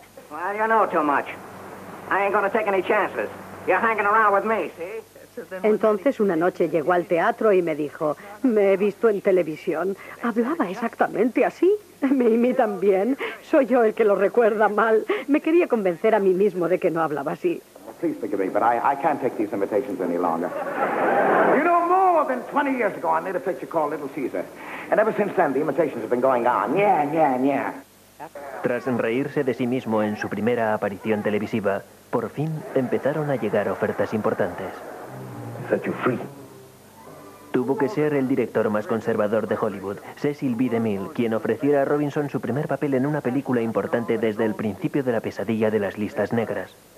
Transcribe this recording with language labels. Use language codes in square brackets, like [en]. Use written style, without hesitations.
[en] Well, you know too much. I ain't gonna take any chances. You're hanging around with me, see? [es] Entonces una noche llegó al teatro y me dijo, me he visto en televisión, hablaba exactamente así, me imitan bien, soy yo el que lo recuerda mal, me quería convencer a mí mismo de que no hablaba así. [en] Please forgive me, but I can't take these imitations any longer. You know, more than 20 years ago I made a picture called Little Caesar, and ever since then the imitations have been going on, yeah. [es] Tras reírse de sí mismo en su primera aparición televisiva, por fin empezaron a llegar ofertas importantes. [en] Set you free. [es] Tuvo que ser el director más conservador de Hollywood, Cecil B. DeMille, quien ofreciera a Robinson su primer papel en una película importante desde el principio de la pesadilla de las listas negras.